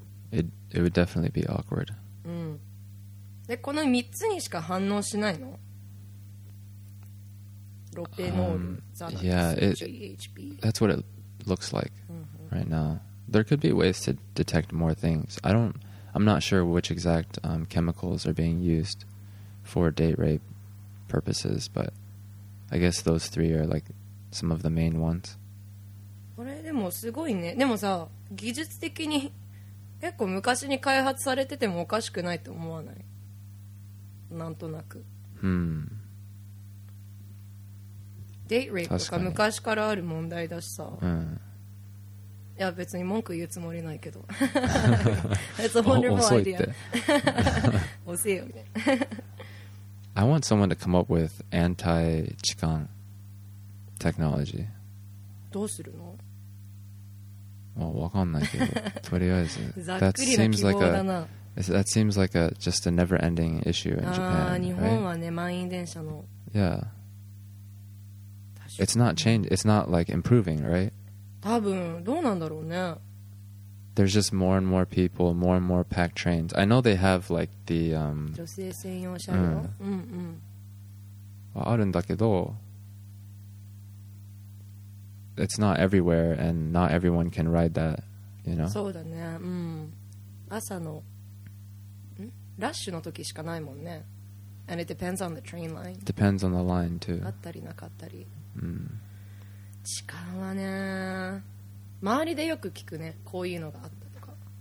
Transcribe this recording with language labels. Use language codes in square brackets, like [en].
[en] it would definitely be awkward、 [ja] うん、でこの3つにしか反応しないの。ロペノール、ザナックス、GHB。 [en] That's what it looks like、うん、right nowThere could be ways to detect more things. I'm not sure which exact chemicals are being used for date rape purposes, but I guess those three are like some of the main ones. [ja] これでもすごいね。でもさ、技術的に結構昔に開発されててもおかしくないと思わない？なんとなく。 Date rape とか昔からある問題だしさ。いや別に文句言うつもりないけど。 [en] That's a wonderful idea. [ja] 遅いって。遅いよね。 [en] I want someone to come up with anti-痴漢 technology. [ja] どうするの？わかんないけど、とりあえず。ざっくりな希望だな。 [en] That seems like That seems like just a never-ending issue in Japan, right? Yeah. It's not changing. It's not like improving, right? [ja] 多分どうなんだろうね。 [en] There's just more and more people, more and more packed trains. I know they have like the [ja] 女性専用車両。あるんだけど、 [en] it's not everywhere and not everyone can ride that, you know? [ja] そうだね。朝のラッシュの時しかないもんね。 [en] And it depends on the train line. Depends on the line too. [ja] あったりなかったり。時間はね、周りでよく聞くね、こういうのがあったとか。